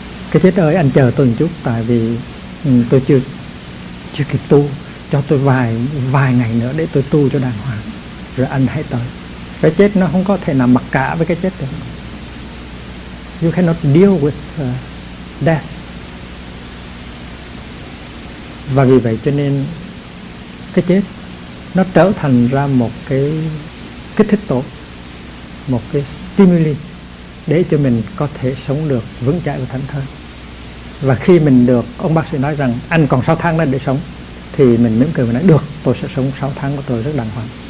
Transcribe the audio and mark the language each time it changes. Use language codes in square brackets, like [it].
[vi] Cái chết ơi, anh chờ tôi một chút, tại vì tôi chưa kịp tu, cho tôi vài ngày nữa để tôi tu cho đàng hoàng, rồi anh hãy tới. Cái chết nó không có thể nào mặc cả với cái chết được. [en] You cannot deal with death. [vi] Và vì vậy cho nên cái chết nó trở thành ra một cái kích thích tố, một cái stimuli để cho mình có thể sống được vững chãi và thẫn thờ. Và khi mình được ông bác sĩ nói rằng anh còn 6 tháng nữa để sống, thì mình mỉm cười và nói được, tôi sẽ sống 6 tháng của tôi rất đàng hoàng.